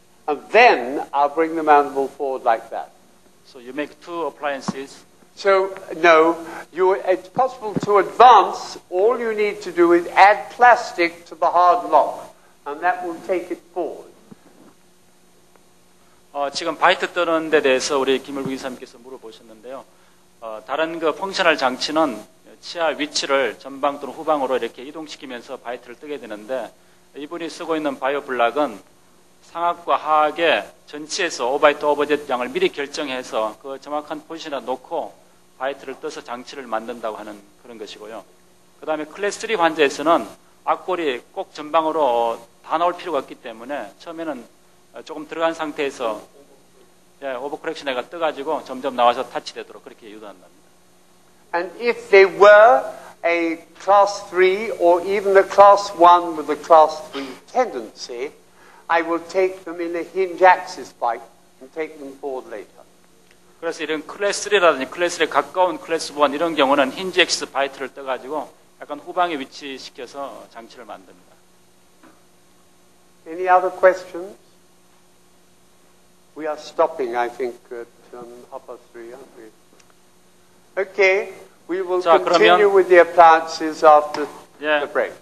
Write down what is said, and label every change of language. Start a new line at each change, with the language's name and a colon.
English: And then I'll bring the mandible forward like that. So you make two appliances? So, no, it's possible to advance. All you need to do is add plastic to the hard lock, and that will take it forward.
Korean: 지금 바이트 뜨는 데 대해서 우리 김을국 의사님께서 물어보셨는데요. 다른 그 펑셔널 장치는 치아 위치를 전방 또는 후방으로 이렇게 이동시키면서 바이트를 뜨게 되는데 이분이 쓰고 있는 바이오블락은 상악과 하악의 전치에서 오바이트 오버젯 양을 미리 결정해서 그 정확한 포지션에 놓고 바이트를 떠서 장치를 만든다고 하는 그런 것이고요. 그 다음에 클래스 3 환자에서는 악골이 꼭 전방으로 다 나올 필요가 없기 때문에 처음에는 조금 들어간 상태에서 오버코렉션에가 떠가지고 점점 나와서 타치되도록 그렇게 유도한답니다.
English: And if they were a class 3 or even a class 1 with a class 3 tendency, I will take them in a hinge axis bike and take them forward later.
Korean: 그래서 이런 클래스 3라든지 클래스에 가까운 클래스 1 이런 경우는 힌지 액시스 바이트를 떠가지고 약간 후방에 위치시켜서 장치를 만듭니다.
English: Any other questions? We are stopping, I think, at upper 3, aren't we? Okay, we will continue with the appliances after the break.